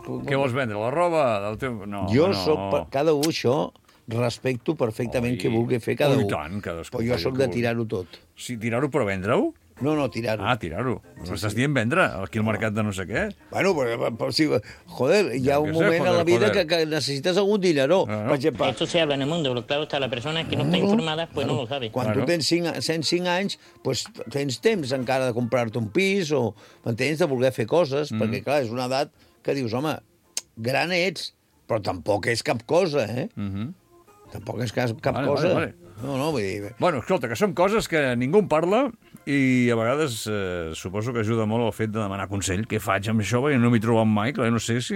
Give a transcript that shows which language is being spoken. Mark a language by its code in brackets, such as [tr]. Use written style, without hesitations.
[ca] Què vols vendre? La roba del teu... No, jo no. Soc... Cada un, això, respecto perfectament què vulgui fer cada un. I tant, cadascú. Però jo soc de tirar-ho tot. Sí, tirar-ho però vendre-ho? No, no, tirar-ho. Ah, tirar-ho. Sí, estàs dient vendre, aquí al mercat de no sé què. Bueno, però si... Joder, hi ha un moment a la vida que necessites algun dinero. No, no. [es] Esto se habla en el mundo, pero claro, está la persona que no está informada, pues no lo sabe. [ca] Quan tu tens 105 anys, pues tens temps encara de comprar-te un pis o, m'entens, de voler fer coses, perquè, clar, és una edat que dius, home, gran ets, però tampoc és cap cosa, eh? Tampoc és cap cosa. No, no, vull dir... Bueno, escolta, que són coses que ningú en parla... I a vegades suposo que ajuda molt el fet de demanar consell. Què faig amb això? Perquè no m'hi trobem mai. Clar, no sé si...